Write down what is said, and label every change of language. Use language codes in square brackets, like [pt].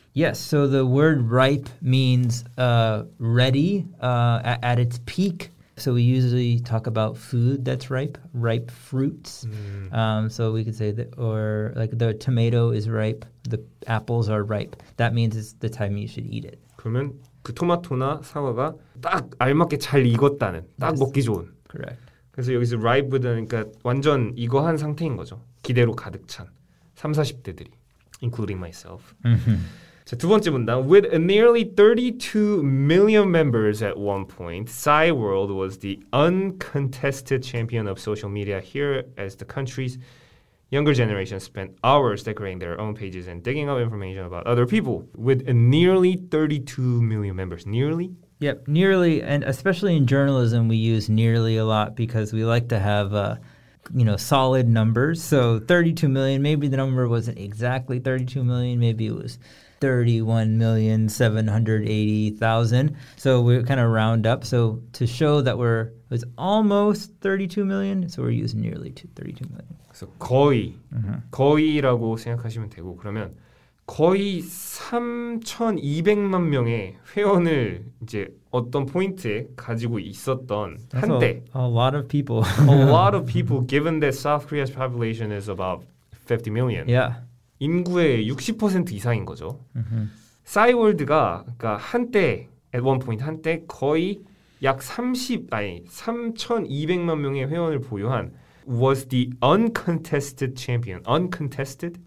[en] Yes, so the word ripe means ready, at its peak. So we usually talk about food that's ripe, ripe fruits. So we could say that, or like the tomato is ripe, the apples are ripe. That means it's the time you should eat it. [ko] 그러면 그 토마토나 상어가 딱 알맞게 잘 익었다는, 딱 먹기 좋은. [en] Correct. [ko] 그래서 여기서 ripe는 그러니까 완전 익어한 상태인 거죠. 기대로 가득 찬 30, 40대들이, [en] including myself. [ko] 자, 두 번째 문단. [en] With nearly 32 million members at one point, PsyWorld was the uncontested champion of social media here as the country's younger generation spent hours decorating their own pages and digging up information about other people. With nearly 32 million members. Nearly? Yep, nearly. And especially in journalism, we use nearly a lot because we like to have you know, solid numbers. So 32 million, maybe the number wasn't exactly 32 million. Maybe it was 31,780,000. So we kind of round up. So to show that we're, it's almost 32 million. So we're using nearly 32 million. So [ko] 거의, mm-hmm. 거의라고 생각하시면 되고, 그러면 거의 3,200만 명의 회원을 이제 어떤 포인트에 가지고 있었던 한때. [en] A lot of people. A lot of people, given that South Korea's population is about 50 million. Yeah. [ko] 인구의 60% 이상인 거죠. 싸이월드가 그러니까 한때, [en] at one point [ko] 한때 거의 약 3,200만 명의 회원을 보유한 [en] was the uncontested champion. Uncontested?